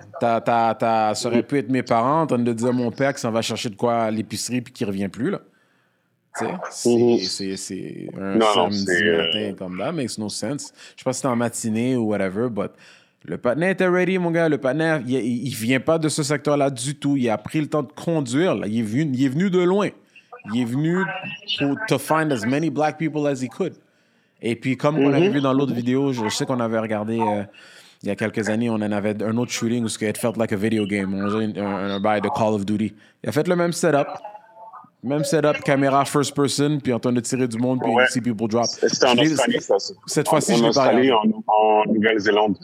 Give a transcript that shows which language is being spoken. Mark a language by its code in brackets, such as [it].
[fr] Ça aurait pu être mes parents en train de dire à mon père qu'il s'en va chercher de quoi à l'épicerie puis qu'il ne revient plus. Là. C'est un samedi matin comme ça, [en] makes no sense. [fr] Je ne sais pas si c'était en matinée ou whatever, but Le partner était ready, mon gars. Le partner, il vient pas de ce secteur-là du tout. Il a pris le temps de conduire. Là. Il est venu de loin. Il est venu pour [en] to find as many black people as he could. [fr] Et puis, comme on l'avait vu dans l'autre vidéo, je sais qu'on avait regardé il y a quelques années, on en avait un autre shooting où [en] it felt like a video game. [fr] On faisait un bail de Call of Duty. Il a fait le même setup. Caméra first person, puis en train de tirer du monde, puis ici, ouais. [en] People drop. [fr] Cette fois-ci, en Australie, en Nouvelle-Zélande.